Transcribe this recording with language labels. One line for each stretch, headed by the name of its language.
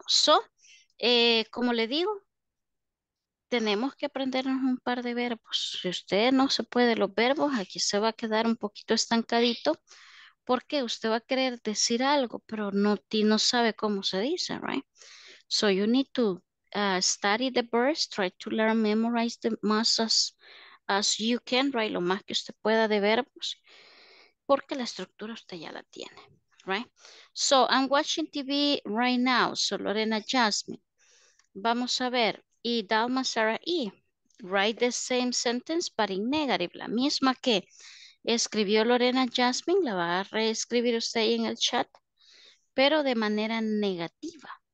Spanish: So, como le digo, tenemos que aprendernos un par de verbos. Si usted no se puede los verbos, aquí se va a quedar un poquito estancadito. Porque usted va a querer decir algo, pero no sabe cómo se dice, right?
English: So you need to study the verbs, try to learn, memorize the most as you can, right?
Spanish: Lo más que usted pueda de verbos, porque la estructura usted ya la tiene, right?
English: So I'm watching TV right now, so Lorena Jasmine.
Spanish: Vamos a ver, y Dalma Sarah E.
English: Write the same sentence, but in negative,
Spanish: la misma que escribió Lorena Jasmine, la va a reescribir usted ahí en el chat, pero de manera negativa.